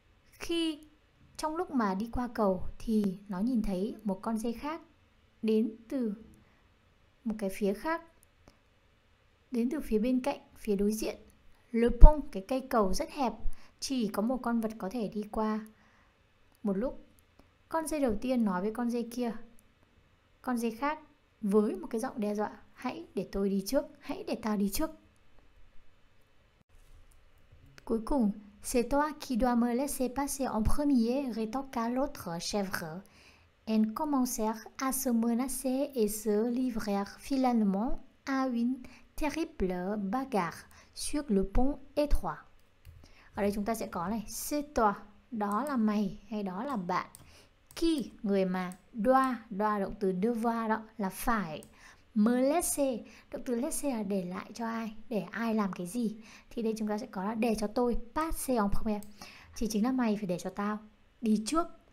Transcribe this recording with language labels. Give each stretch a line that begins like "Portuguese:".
Vietnamese: Khi trong lúc mà đi qua cầu thì nó nhìn thấy một con dê khác đến từ một cái phía khác, đến từ phía bên cạnh, phía đối diện. Le pont, cái cây cầu rất hẹp, chỉ có một con vật có thể đi qua một lúc. Con dê đầu tiên nói với con dê kia, con dê khác, với một cái giọng đe dọa: hãy để tôi đi trước, hãy để tao đi trước. Cuối cùng,
French: c'est toi qui dois me laisser passer en premier, rétorqua l'autre chèvre. Elles commencèrent à se menacer et se livrèrent finalement à une terrible bagarre sur le pont étroit.
Vietnamese: Ở đây chúng ta sẽ có này,
French: c'est toi,
Vietnamese: đó là mày hay đó là bạn. Qui, người mà, doit động từ devoir đó là phải. Me laisser, động từ laisser là để lại cho ai, để ai làm cái gì. Thì đây chúng ta sẽ có là để cho tôi,
French: passer en premier,
Vietnamese: chỉ chính là mày phải để cho tao đi trước.